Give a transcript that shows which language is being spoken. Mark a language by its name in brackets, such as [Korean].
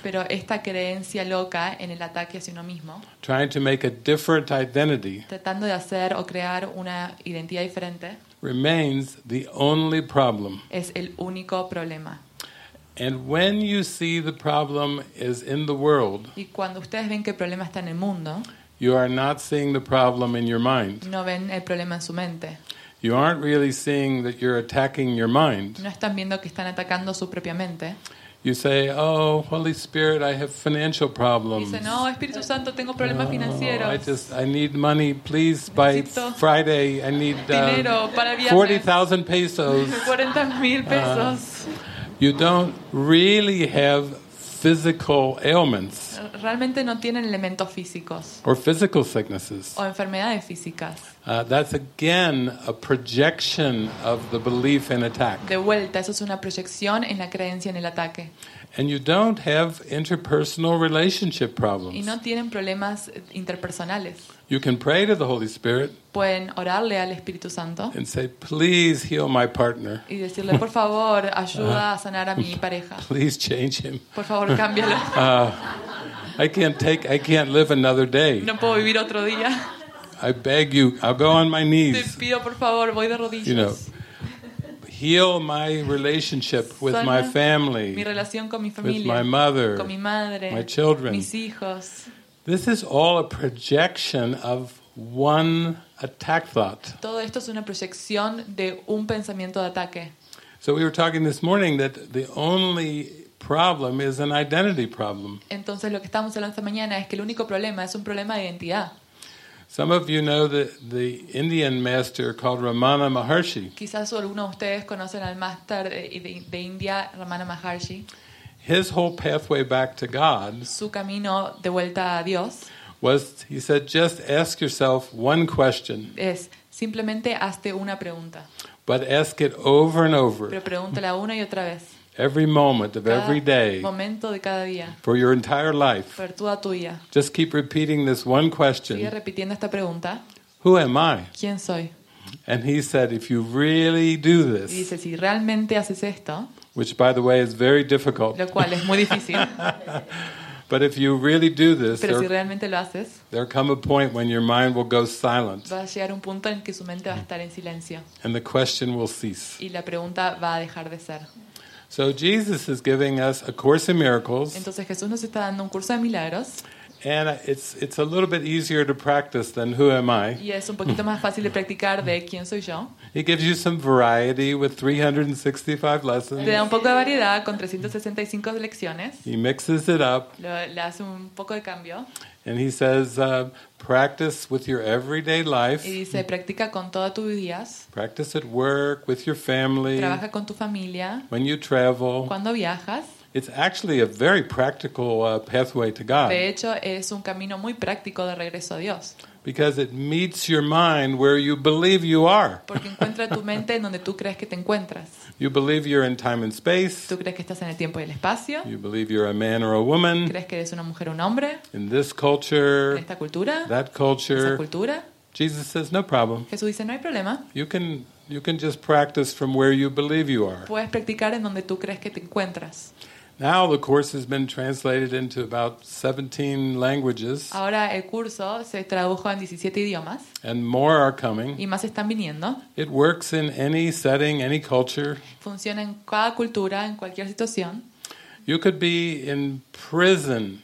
[Spanish] Pero esta creencia loca en el ataque hacia uno mismo. [English] Trying to make a different identity. [Spanish] Tratando de hacer o crear una identidad diferente. [English] Remains the only problem. [Spanish] Es el único problema. [English] And when you see the problem is in the world, [Spanish] y cuando ustedes ven que el problema está en el mundo, [English] you are not seeing the problem in your mind. [Spanish] No ven el problema en su mente. [English] You aren't really seeing that you're attacking your mind. [Spanish] No están viendo que están atacando su propia mente. [English] You say, "Oh, Holy Spirit, I have financial problems." [Spanish] Dice, "No, Espíritu Santo, tengo problemas financieros." [English] Oh, I need money, please, by Friday. I need [Spanish] dinero para viajes. [English] 40,000 pesos. [Spanish] 40,000 pesos. [English] You don't really have physical ailments. [Spanish] Realmente no tienen elementos físicos. [English] Or physical sicknesses. [Spanish] O enfermedades físicas. [English] That's again a projection of the belief in attack. [Spanish] De vuelta, eso es una proyección en la creencia en el ataque. [English] And you don't have interpersonal relationship problems. [Spanish] Y no tienen problemas interpersonales. [English] You can pray to the Holy Spirit. [Spanish] Pueden orarle al Espíritu Santo. [English] And say, please heal my partner. [Spanish] Y decirle, por favor, ayuda a sanar a mi pareja. [English] Please change him. [Spanish] Por favor, cámbialo. [English] I can't live another day. [Spanish] No puedo vivir otro día. [English] I beg you, I'll go on my knees. [Spanish] Te pido, por favor, voy de rodillas. [English] You know, heal my relationship with my family, [Spanish] mi relación con mi familia, [English] with my mother, [Spanish] con mi madre, [English] my children, [Spanish] mis hijos. [English] This is all a projection of one attack thought. [Spanish] Todo esto es una proyección de un pensamiento de ataque. [English] So we were talking this morning that the only problem is an identity problem. [Spanish] Entonces lo que estamos hablando esta mañana es que el único problema es un problema de identidad. [English] Some of you know the Indian master called Ramana Maharshi. [Spanish] Quizás algunos de ustedes conocen al máster de India, Ramana Maharshi. [English] His whole pathway back to God. [Spanish] Su camino de vuelta a Dios. [English] Was, he said, just ask yourself one question. [Spanish] Es simplemente hazte una pregunta. [English] But ask it over and over. [Spanish] Pero pregúntala una y otra vez. [English] Every moment of every day. [Spanish] Momento de cada día. [English] For your entire life. [Spanish] Por toda tu vida. [English] Just keep repeating this one question. [Spanish] Sigue repitiendo esta pregunta. [English] Who am I? [Spanish] ¿Quién soy? [English] And he said, if you really do this. [Spanish] Y dice, si realmente haces esto. [English] Which, by the way, is very difficult. [Spanish] Lo cual es muy difícil. [English] But if you really do this, [Spanish] pero si realmente lo haces, [English] there come a point when your mind will go silent. [Spanish] Va a llegar un punto en que su mente va a estar en silencio. [English] And the question will cease. [Spanish] Y la pregunta va a dejar de ser. [English] So Jesus is giving us a course in miracles. [Spanish] Entonces Jesús nos está dando un curso de milagros. [English] And it's a little bit easier to practice than who am I? [Spanish] Y es un poquito más fácil de practicar de quién soy yo. [English] He gives you some variety with 365 lessons. [Spanish] Le da un poco de variedad con 365 lecciones. [English] He mixes it up. [Spanish] Le hace un poco de cambio. [English] And he says, practice with your everyday life. [Spanish] Y dice, practica con toda tu vida. [English] Practice at work with your family. [Spanish] Trabaja con tu familia. [English] When you travel. [Spanish] Cuando viajas. [English] It's actually a very practical pathway to God. [Spanish] De hecho, es un camino muy práctico de regreso a Dios. [English] Because it meets your mind where you believe you are. [Spanish] Porque encuentra tu mente en donde tú crees que te encuentras. [English] You believe you're in time and space. [Spanish] Tú crees que estás en el tiempo y el espacio. [English] You believe you're a man or a woman. [Spanish] Crees que eres una mujer o un hombre. [English] In this culture. [Spanish] En esta cultura. [English] That culture. [Spanish] Esa cultura. [English] Jesus says no problem. [Spanish] Jesús dice no hay problema. [English] You can just practice from where you believe you are. [Spanish] Puedes practicar en donde tú crees que te encuentras. [English] Now the course has been translated into about 17 languages. [Spanish] Ahora el curso se tradujo en 17 idiomas. [English] And more are coming. [Spanish] Y más están viniendo. [English] It works in any setting, any culture. [Spanish] Funciona en cada cultura, en cualquier situación. [English] You could be in prison.